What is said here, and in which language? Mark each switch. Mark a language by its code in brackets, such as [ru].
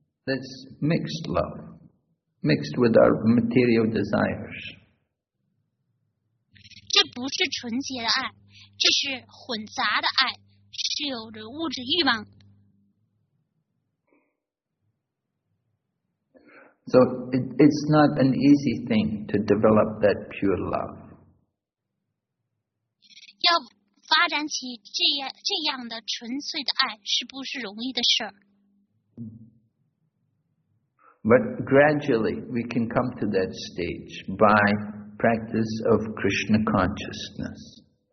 [en] That's mixed love, mixed with our material desires. [zh] 这不是纯洁的爱，这是混杂的爱，是有着物质欲望。 [en] So it's not an easy thing to develop that pure love. [zh] 要发展起这样的纯粹的爱是不是容易的事？ [en] But gradually we can come to that stage by practice of Krishna consciousness.